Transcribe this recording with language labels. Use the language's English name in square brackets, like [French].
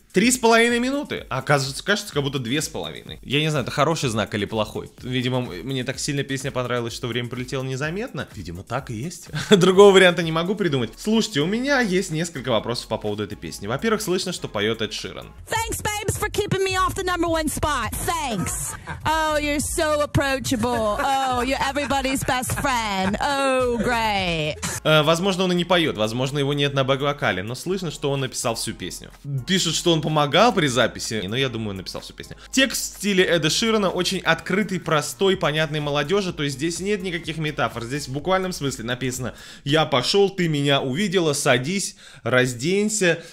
[Russian] 3,5 минуты. Кажется, как будто 2,5. Я не знаю, это хороший знак или плохой. Видимо, мне так сильно песня понравилась, что время пролетело незаметно. Видимо, так и есть. Другого варианта не могу придумать. Слушайте, у меня есть несколько вопросов по поводу этой песни. Во-первых, слышно, что поет Эд Ширан. [English] Thanks, babes, for keeping me off the number one spot. Thanks. Oh, you're so approachable. Oh, you're everybody's best friend. Oh, great. [Russian] Возможно, он и не поет. Возможно, его нет на бэк-вокале. Но слышно, что он написал всю песню. Пишут, что он помогал при записи, но я думаю, написал всю песню. Текст в стиле Эда Ширана очень открытый, простой, понятный молодежи. То есть здесь нет никаких метафор. Здесь в буквальном смысле написано: я пошел, ты меня увидела, садись, разденься.